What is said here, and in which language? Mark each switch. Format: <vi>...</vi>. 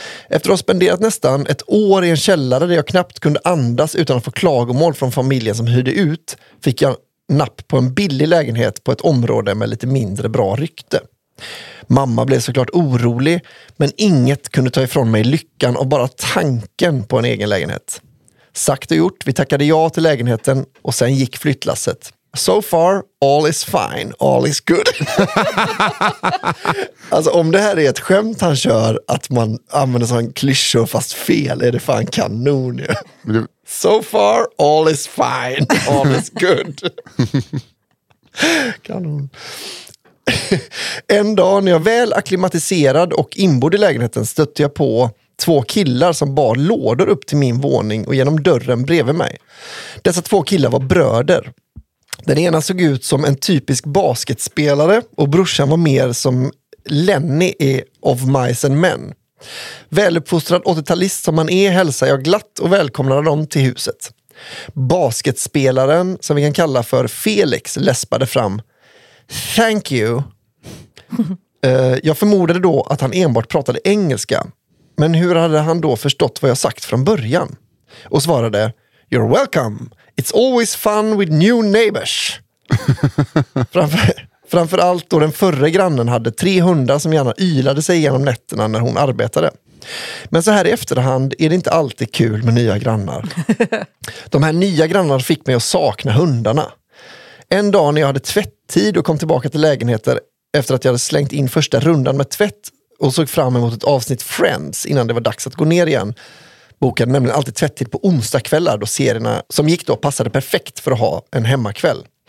<sv>Efter att ha spenderat nästan ett år i en källare där jag knappt kunde andas utan att få klagomål från familjen som hyrde ut, fick jag napp på en billig lägenhet på ett område med lite mindre bra rykte. Mamma blev såklart orolig, men inget kunde ta ifrån mig lyckan och bara tanken på en egen lägenhet. Sagt och gjort, vi tackade ja till lägenheten och sen gick flyttlasset.</sv> <en>So far, all is fine, all is good.</en> <sv>Alltså om det här är ett skämt han kör, att man använder sån klyschor fast fel, är det fan kanon ju.</sv> <en>So far, all is fine, all is good.</en> <sv>Kanon. En dag när jag väl akklimatiserad och inbord i lägenheten stötte jag på två killar som bar lådor upp till min våning och genom dörren bredvid mig. Dessa två killar var bröder. Den ena såg ut som en typisk basketspelare och brorsan var mer som Lenny i Of Mice and Men. Väluppfostrad 80-talist som man är hälsar jag glatt och välkomnar dem till huset. Basketspelaren, som vi kan kalla för Felix, läspade fram:</sv> <en>thank you.</en> <sv>Jag förmodade då att han enbart pratade engelska. Men hur hade han då förstått vad jag sagt från början? Och svarade:</sv> <en>you're welcome. It's always fun with new neighbors.</en> <sv>Framförallt då den förre grannen hade 300 som gärna ylade sig genom nätterna när hon arbetade. Men så här i efterhand är det inte alltid kul med nya grannar. De här nya grannarna fick mig att sakna hundarna. En dag när jag hade tvätttid och kom tillbaka till lägenheter efter att jag hade slängt in första rundan med tvätt och såg fram emot ett avsnitt Friends innan det var dags att gå ner igen, bokade nämligen alltid tvätttid på onsdagskvällar då serierna som gick då passade perfekt för att ha en hemmakväll.</sv>